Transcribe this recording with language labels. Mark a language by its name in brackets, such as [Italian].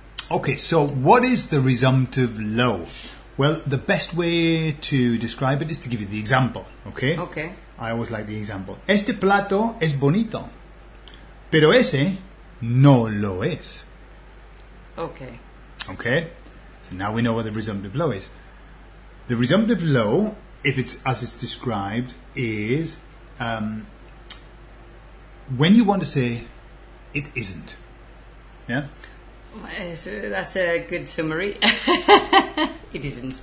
[English] Okay, so what is the resumptive low? Well, the best way to describe it is to give you the example, okay? Okay. I always like the example. [Spanish] Este plato es bonito, pero ese no lo es. [English] Okay. Okay? So now we know what the resumptive low is. The resumptive low, if it's as it's described, is when you want to say it isn't. Yeah? So that's a good summary. It isn't.